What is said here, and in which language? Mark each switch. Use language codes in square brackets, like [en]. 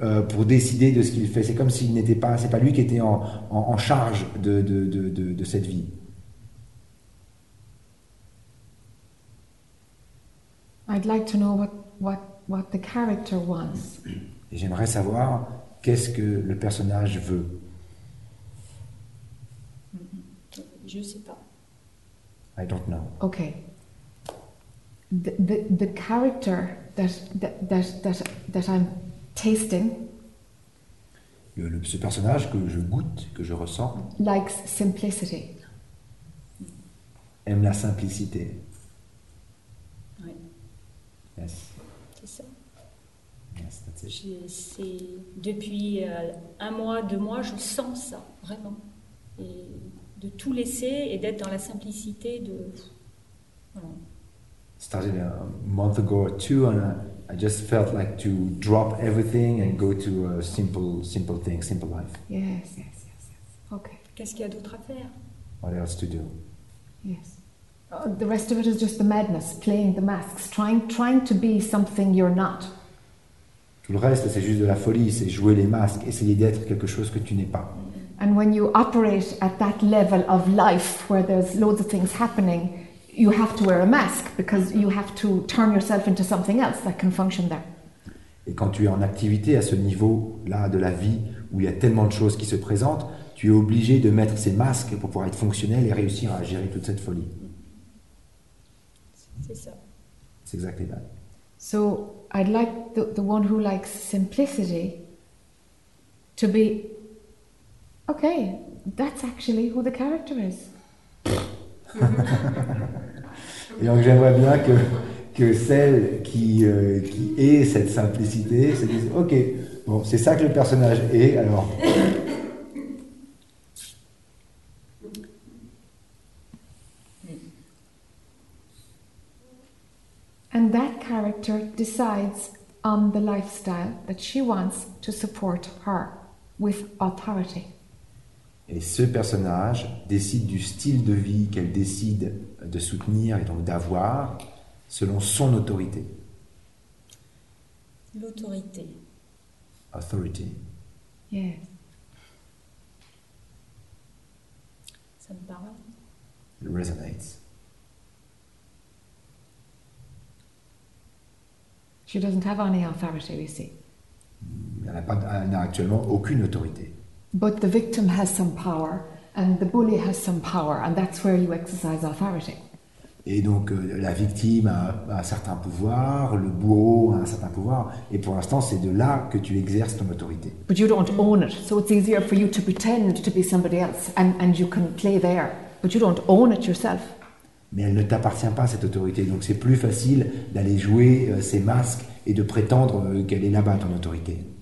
[fr] Pour décider de ce qu'il fait, c'est comme s'il n'était pas, c'est pas lui qui était en charge de cette vie. [en] I'd like to know what the character wants. [fr] Et j'aimerais savoir qu'est-ce que le personnage veut. Je sais pas. [en] I don't know. Okay. The character that I'm tasting. [fr] Ce personnage que je goûte, que je ressens. [en] Likes simplicity. [fr] Aime la simplicité. Oui. [en] Yes. [fr] C'est ça. [en] Yes, that's it. [fr] C'est depuis un mois, deux mois, je sens ça vraiment, et de tout laisser et d'être dans la simplicité de. Voilà. [en] Started a month ago or two, and I just felt like to drop everything and go to a simple thing, simple life. Yes. Okay. [fr] Qu'est-ce qu'il y a d'autre à faire? [en] What else to do? Yes. The rest of it is just the madness, playing the masks, trying to be something you're not. [fr] Tout le reste, c'est juste de la folie, c'est jouer les masques, essayer d'être quelque chose que tu n'es pas. [en] And when you operate at that level of life where there's loads of things happening, you have to wear a mask because you have to turn yourself into something else that can function there. [fr] Et quand tu es en activité à ce niveau-là de la vie où il y a tellement de choses qui se présentent, tu es obligé de mettre ces masques pour pouvoir être fonctionnel et réussir à gérer toute cette folie. C'est ça. C'est [en] exactly that. So I'd like the one who likes simplicity to be okay. That's actually who the character is. [fr] Et donc j'aimerais bien que celle qui est cette simplicité se dise ok, bon, c'est ça que le personnage est, alors. [en] And that character decides on the lifestyle that she wants to support her with authority. [fr] Et ce personnage décide du style de vie qu'elle décide de soutenir et donc d'avoir selon son autorité. L'autorité. [en] Authority. Yes. [fr] Ça me parle. [en] It resonates. She doesn't have any authority, you see. [fr] Elle n'a actuellement aucune autorité. [en] But the victim has some power, and the bully has some power, and that's where you exercise authority. [fr] Et donc la victime a un certain pouvoir, le bourreau a un certain pouvoir, et pour l'instant c'est de là que tu exerces ton autorité. [en] But you don't own it, so it's easier for you to pretend to be somebody else, and you can play there, but you don't own it yourself. [fr] Mais elle ne t'appartient pas cette autorité, donc c'est plus facile d'aller jouer ses masques et de prétendre qu'elle est là-bas ton autorité.